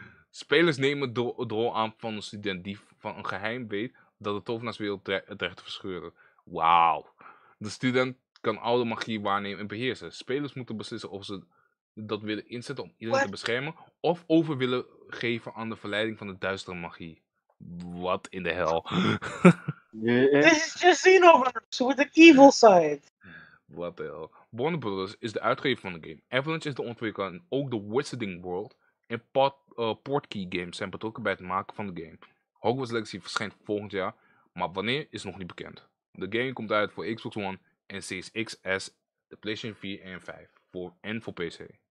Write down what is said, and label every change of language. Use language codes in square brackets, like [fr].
[nl] Spelers nemen de rol aan van een student die van een geheim weet dat de tovenaarswereld dreigt te verscheuren. Wauw. De student kan oude magie waarnemen en beheersen. Spelers moeten beslissen of ze dat willen inzetten om iedereen te beschermen of over willen geven aan de verleiding van de duistere magie. [en] What in the hell? This is just Xenoverse with an evil side. What the hell? [nl] Warner Brothers is de uitgever van de game. Avalanche is de ontwikkelaar en ook de Wizarding World en Portkey Games zijn betrokken bij het maken van de game. Hogwarts Legacy verschijnt volgend jaar, maar wanneer is nog niet bekend. De game komt uit voor Xbox One en Series X, S, de PlayStation 4 en 5 voor PC.